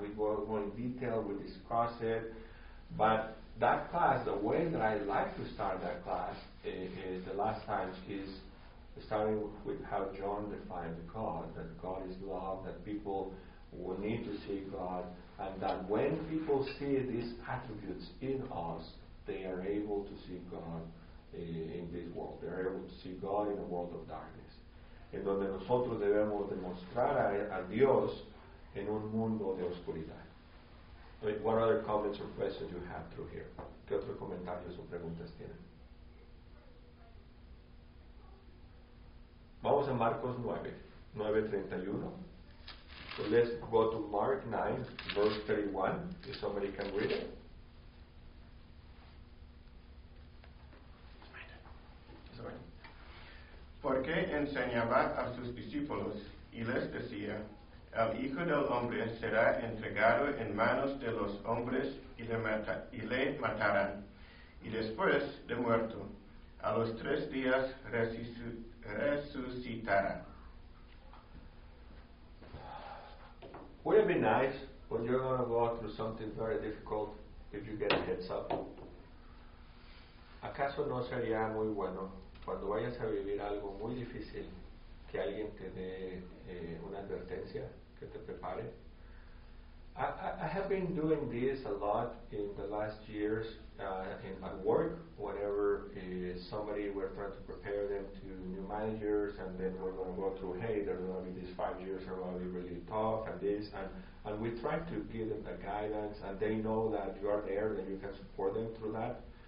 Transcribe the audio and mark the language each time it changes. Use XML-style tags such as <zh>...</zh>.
<en>We go in detail, we discuss it. But that class, the way that I like to start that class is the last time is starting with how John defined God, that God is love, that people will need to see God, and that when people see these attributes in us, they are able to see God in this world. They are able to see God in a world of darkness.</en> <es>En donde nosotros debemos demostrar a Dios en un mundo de oscuridad.</es> <en>Wait, what other comments or questions you have through here?</en> <es>¿Qué otros comentarios o preguntas tienen? Vamos a Marcos 9:31.</es> <en>So let's go to Mark 9:31. If somebody can read it.</en> <es>¿Por qué enseñaba a sus discípulos y les decía, el Hijo del Hombre será entregado en manos de los hombres y le matarán, y después de muerto, a los tres días resucitará?</es> <en>Would it be nice when you're going to go through something very difficult if you get a heads up?</en> <es>¿Acaso no sería muy bueno cuando vayas a vivir algo muy difícil que alguien te dé una advertencia, que te prepare?</es> <en>I have been doing this a lot in the last years in my work, whenever somebody, we're trying to prepare them to new managers, and then we're going to go through, hey, they're going to be these 5 years, are going to be really tough, and this, and we try to give them the guidance, and they know that you are there, that you can support them through that.</en>